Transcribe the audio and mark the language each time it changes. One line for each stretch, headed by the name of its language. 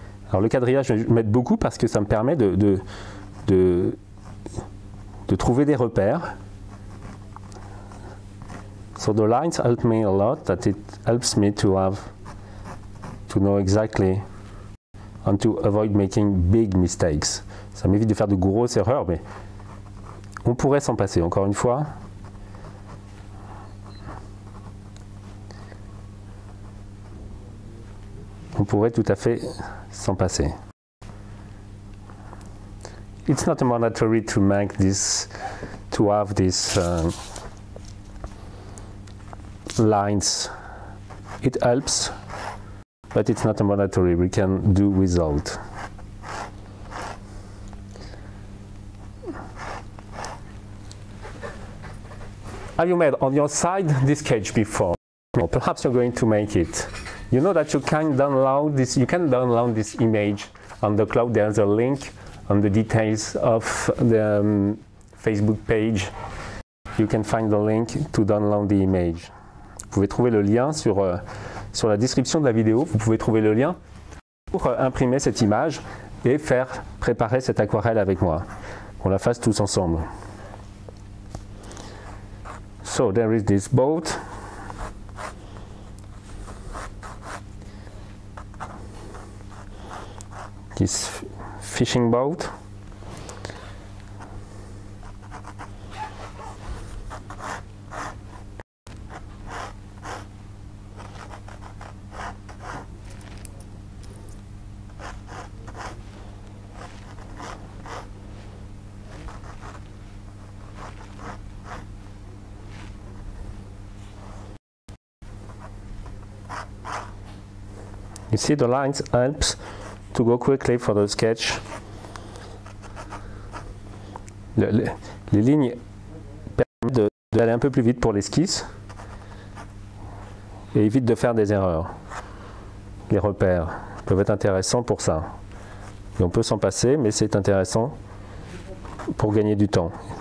French: Alors le quadrillage m'aide beaucoup parce que ça me permet de trouver des repères.
English: So the lines help me a lot, that it helps me to know exactly and to avoid making big mistakes.
French: Ça m'évite de faire de grosses erreurs, mais on pourrait s'en passer encore une fois. On pourrait tout à fait s'en passer.
English: It's not mandatory to make this, to have this lines. It helps, but it's not mandatory. We can do without. Have you made on your side this cage before? Or perhaps you're going to make it. You know that you can download this. You can download this image on the cloud. There's a link on the details of the Facebook page. You can find the link to download the image.
French: Vous pouvez trouver le lien sur la description de la vidéo. Vous pouvez trouver le lien pour imprimer cette image et faire préparer cette aquarelle avec moi. On la fasse tous ensemble.
English: So there is this boat. This fishing boat. You see the lines helps to go quickly for the sketch.
French: Les lignes permettent d'aller un peu plus vite pour l'esquisse et évitent de faire des erreurs. Les repères peuvent être intéressants pour ça. Et on peut s'en passer, mais c'est intéressant pour gagner du temps.